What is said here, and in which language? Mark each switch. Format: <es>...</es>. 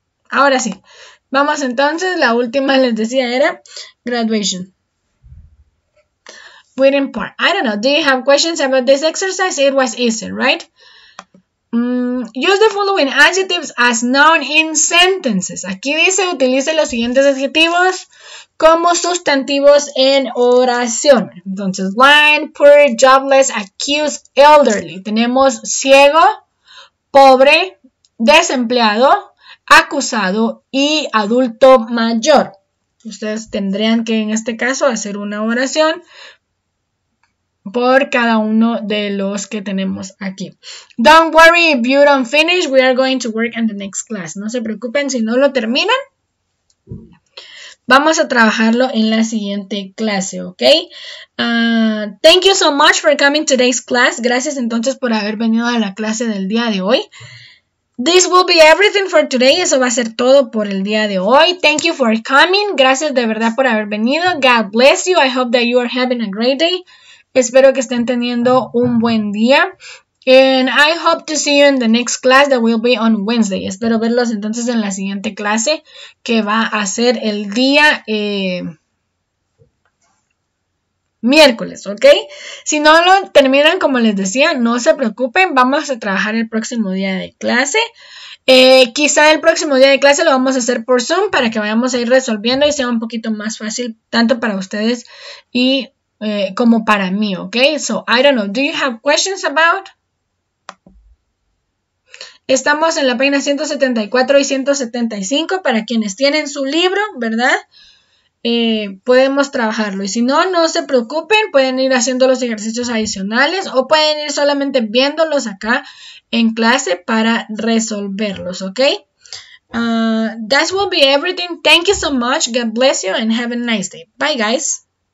<es>Ahora sí, vamos entonces, la última les decía era graduation.</es> <en>Wedding part. I don't know, do you have questions about this exercise? It was easy, right? Use the following adjectives as noun in sentences.</en> <es>Aquí dice utilice los siguientes adjetivos como sustantivos en oración.</es> <en>Entonces, blind, poor, jobless, accused, elderly.</en> <es>Tenemos ciego, pobre, desempleado, acusado y adulto mayor. Ustedes tendrían que en este caso hacer una oración por cada uno de los que tenemos aquí.</es> <en>Don't worry if you don't finish. We are going to work in the next class.</en> <es>No se preocupen si no lo terminan. Vamos a trabajarlo en la siguiente clase, ¿ok?</es> <en>Thank you so much for coming to today's class.</en> <es>Gracias entonces por haber venido a la clase del día de hoy.</es> <en>This will be everything for today.</en> <es>Eso va a ser todo por el día de hoy.</es> <en>Thank you for coming.</en> <es>Gracias de verdad por haber venido.</es> <en>God bless you. I hope that you are having a great day.</en> <es>Espero que estén teniendo un buen día.</es> <en>And I hope to see you in the next class that will be on Wednesday.</en> <es>Espero verlos entonces en la siguiente clase que va a ser el día miércoles, ¿ok? Si no lo terminan, como les decía, no se preocupen. Vamos a trabajar el próximo día de clase. Quizá el próximo día de clase lo vamos a hacer por Zoom para que vayamos a ir resolviendo y sea un poquito más fácil tanto para ustedes y como para mí, ¿ok?</es> <en>So, I don't know. Do you have questions about?</en> <es>Estamos en la página 174 y 175 para quienes tienen su libro, ¿verdad? Podemos trabajarlo. Y si no, no se preocupen, pueden ir haciendo los ejercicios adicionales o pueden ir solamente viéndolos acá en clase para resolverlos, ¿ok?</es> <en>That will be everything. Thank you so much. God bless you and have a nice day. Bye, guys.</en>